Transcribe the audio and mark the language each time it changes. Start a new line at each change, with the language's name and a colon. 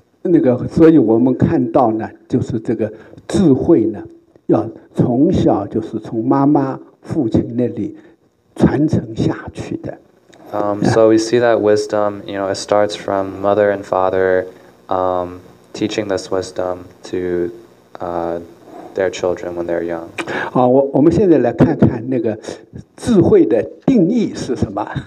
Chinese: 那个，所以我们看到呢，就是这个智慧呢，要从小就是从妈妈、父亲那里传承下去的。
English: So we see that wisdom, you know, it starts from mother and father, teaching this wisdom to, their children when they're young.
Chinese: 好，我们现在来看看那个智慧的定义是什么。